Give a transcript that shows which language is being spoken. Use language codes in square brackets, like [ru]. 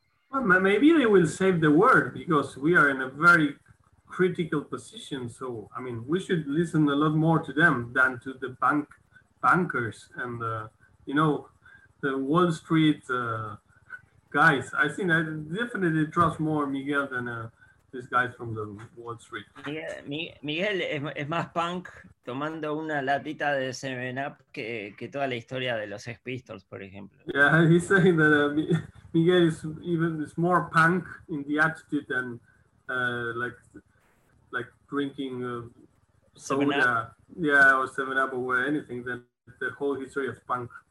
[en] Well, maybe they will save the word because we are in a very critical position. So, I mean, we should listen a lot more to them than to the bankers and, you know, the Wall Street guys. I think I definitely trust more Miguel than these guys from the Wall Street. [es] Miguel es más punk tomando una latita de 7-Up que toda la historia de los Sex Pistols, por ejemplo. [en] Yeah, he's saying that... Miguel is even is more punk in the attitude than like drinking soda, or 7-Up or anything than the whole history of punk.